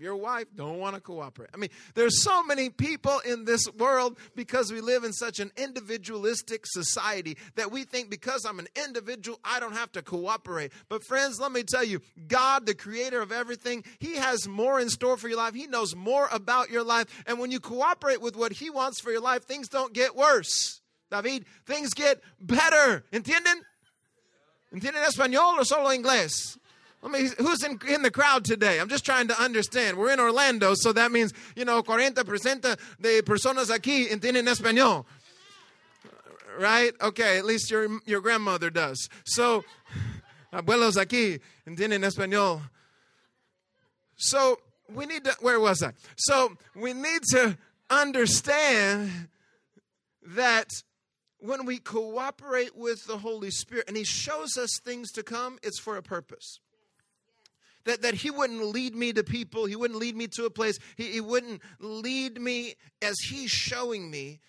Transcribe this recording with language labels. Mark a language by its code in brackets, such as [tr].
[en] Your wife, don't want to cooperate. I mean, there's so many people in this world because we live in such an individualistic society that we think because I'm an individual, I don't have to cooperate. But friends, let me tell you, God, the creator of everything, he has more in store for your life. He knows more about your life. And when you cooperate with what he wants for your life, things don't get worse. David, things get better. [es] ¿Entienden? ¿Entienden español o solo inglés? [en] Who's in the crowd today? I'm just trying to understand. We're in Orlando, so that means, [es] 40% de personas aquí entienden español. [en] Right? Okay, at least your grandmother does. [es] So, abuelos aquí entienden español. [en] So, we need to, where was I? So, we need to understand that when we cooperate with the Holy Spirit and he shows us things to come, it's for a purpose. That he wouldn't lead me to people. He wouldn't lead me to a place. He wouldn't lead me as he's showing me.